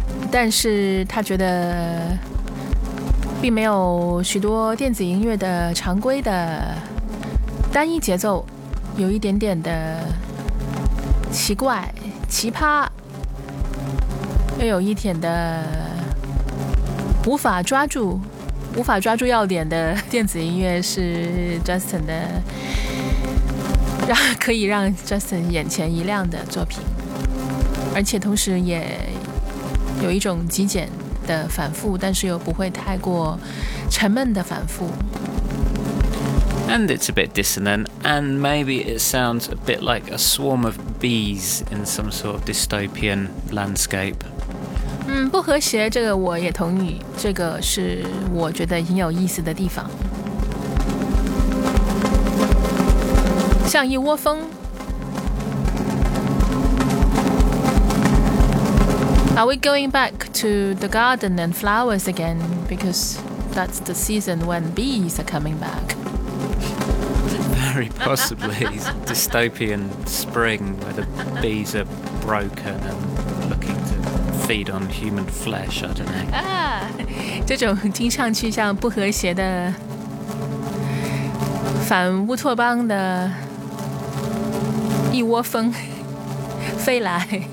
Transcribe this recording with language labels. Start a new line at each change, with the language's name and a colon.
Chinese: 但是他觉得并没有许多电子音乐的常规的单一节奏，有一点点的奇怪奇葩，又有一点的无法抓住要点的电子音乐，是 Justin 的可以让 Justin 眼前一亮的作品，而且同时也有一种极简的反复，但是又不会太过沉闷的反复。
English: And it's a bit dissonant, and maybe it sounds a bit like a swarm of bees in some sort of dystopian landscape.
Chinese: 嗯，不和谐，这个我也同意，这个是我觉得很有意思的地方。像一窝蜂。
English: Are we going back to the garden and flowers again? Because that's the season when bees are coming back. Very possibly. Dystopian spring where the bees are broken and looking to feed on human flesh, I don't know.
Chinese: 这种听上去像不和谐的反乌托邦的一窝蜂飞来。